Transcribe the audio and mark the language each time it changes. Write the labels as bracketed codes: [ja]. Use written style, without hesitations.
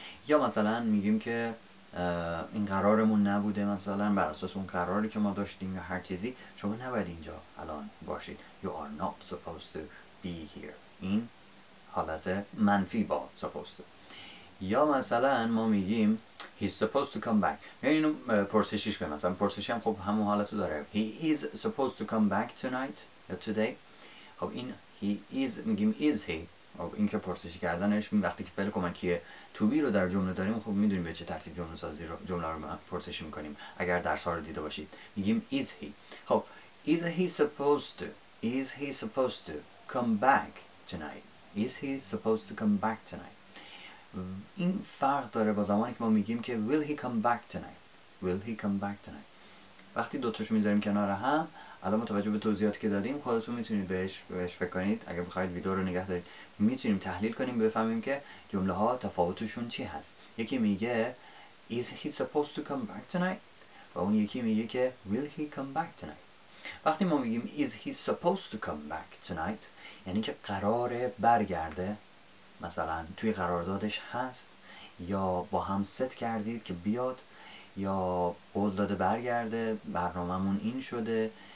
[fa] یا مثلا میگیم که این قرارمون نبوده، مثلا بر اساس اون قراری که ما داشتیم یا هر چیزی، شما نباید اینجا الان باشید. [en] You are not supposed to be here. [fa] این حالت منفی با supposed to. یا مثلا ما میگیم [en] He's supposed to come back. [fa] یعنی اینو پرسشیش کنیم. مثلا پرسشی هم خب همون حالتو داره. [en] He is supposed to come back tonight [fa] یا [en] today. [fa] خب این [en] He is [fa] میگیم [en] is he. [fa] خب این که پرسشی کردنش وقتی که فعل کمکیه to be رو در جمله داریم، خب میدونیم به چه ترتیب جمله سازی رو جمله رو پرسشی میکنیم. اگر درس ها رو دیده باشید میگیم is he. [en] خب is he supposed to, is he supposed to come back tonight, is he supposed to come back tonight. [fa] این فرق داره با زمانی که ما میگیم که [en] will he come back tonight, will he come back tonight. [fa] وقتی دوتاشو میذاریم کنار هم، الان متوجه به توضیحاتی که دادیم خودتون میتونید بهش فکر کنید. اگه بخواید ویدیو رو نگه دارید میتونیم تحلیل کنیم بفهمیم که جمله ها تفاوتشون چی هست. یکی میگه [en] Is he supposed to come back tonight؟ [fa] و اون یکی میگه که [en] Will he come back tonight؟ [fa] وقتی ما میگیم Is he supposed to come back tonight؟ یعنی که قراره برگرده، مثلا توی قراردادش هست یا با هم ست کردید که بیاد یا قول داده برگرده، برنامه‌مون این شده.